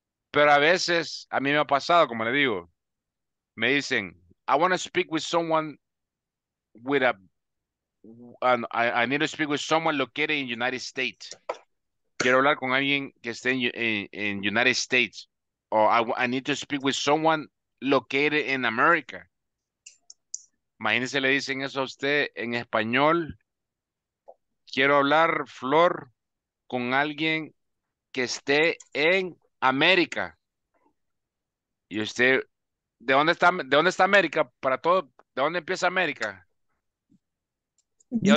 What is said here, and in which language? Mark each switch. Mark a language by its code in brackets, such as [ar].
[es] Pero a veces, a mí me ha pasado, como le digo, me dicen, [en] I want to speak with someone with a, I need to speak with someone located in United States. [es] Quiero hablar con alguien que esté en United States. [en] I need to speak with someone located in America. [es] Imagínense, le dicen eso a usted en español. Quiero hablar, Flor, con alguien que esté en América. Y usted, ¿de dónde está América? Para todo, ¿de dónde empieza América? No.